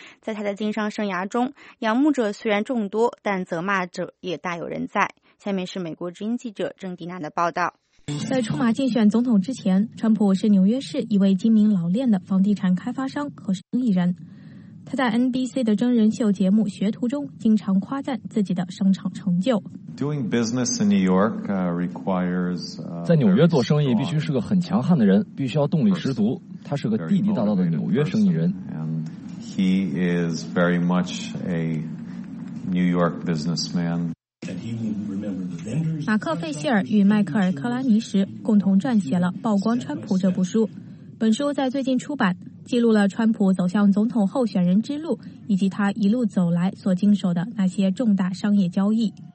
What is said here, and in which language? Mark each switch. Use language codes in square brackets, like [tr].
[zh] 在他的经商生涯中，仰慕者虽然众多，但责骂者也大有人在。下面是美国之音记者郑迪娜的报道。在出马竞选总统之前，川普是纽约市一位精明老练的房地产开发商和生意人。他在 NBC 的真人秀节目《学徒》中经常夸赞自己的商场成就。 [en] Doing business in New York requires [zh] 在纽约做生意必须是个很强悍的人，必须要动力十足。他是个地地道道的纽约生意人。 [en] He is very much a New York businessman. [zh] 马克·费希尔与迈克尔·克拉尼什共同撰写了《曝光川普》这部书。本书在最近出版，记录了川普走向总统候选人之路，以及他一路走来所经手的那些重大商业交易。